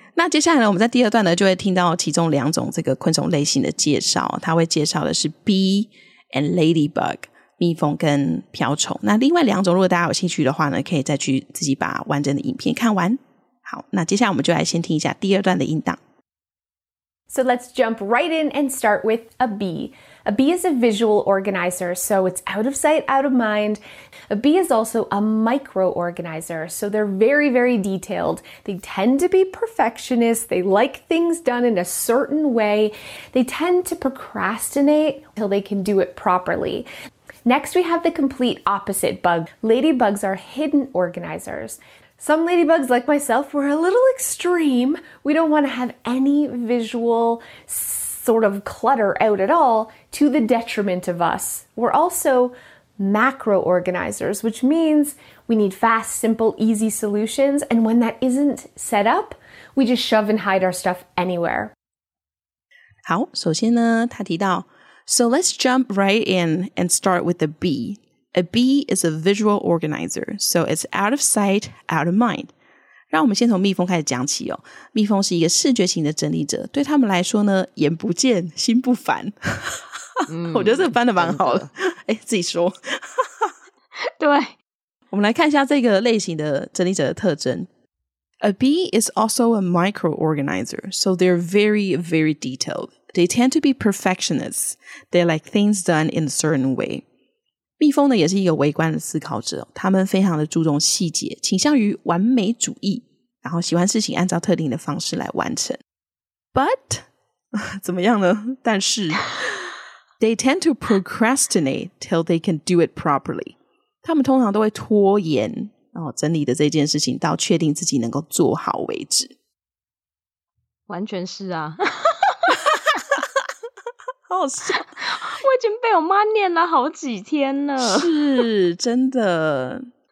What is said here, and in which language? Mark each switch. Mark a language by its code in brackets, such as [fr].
[zh] 那接下来呢，我们在第二段呢就会听到其中两种这个昆虫类型的介绍，他会介绍的是 [en] bee and ladybug， [zh] 蜜蜂跟瓢虫。那另外两种如果大家有兴趣的话呢，可以再去自己把完整的影片看完。好，那接下来我们就来先听一下第二段的音档。 [en] So let's jump right in and start with a bee. A bee is a visual organizer, so it's out of sight, out of mind. A bee is also a micro-organizer, so they're very, very detailed. They tend to be perfectionists. They like things done in a certain way. They tend to procrastinate until they can do it properly. Next, we have the complete opposite bug. Ladybugs are hidden organizers. Some ladybugs, like myself, were a little extreme. We don't want to have any visual sort of clutter out at all to the detriment of us. We're also macro organizers, which means we need fast, simple, easy solutions. And when that isn't set up, we just shove and hide our stuff anywhere. [zh] 好，首先呢，他提到 [en] So let's jump right in and start with the bee. A bee is a visual organizer, so it's out of sight, out of mind. [zh] 让我们先从蜜蜂开始讲起哦。蜜蜂是一个视觉型的整理者，对他们来说呢，眼不见心不烦。我觉得这个翻得蛮好的，哎，自己说。对，我们来看一下这个类型的整理者的特征。 [en] A bee is also a micro-organizer, so they're very, very detailed. They tend to be perfectionists. They like things done in a certain way. [zh] 蜜蜂呢也是一个微观的思考者，他们非常的注重细节，倾向于完美主义，然后喜欢事情按照特定的方式来完成。 [en] But, [zh] 怎么样呢？但是 [en] they tend to procrastinate till they can do it properly. [zh] 他们通常都会拖延然后整理的这件事情到确定自己能够做好为止。完全是啊。好好笑。我已经被我妈念了好几天了。是真的。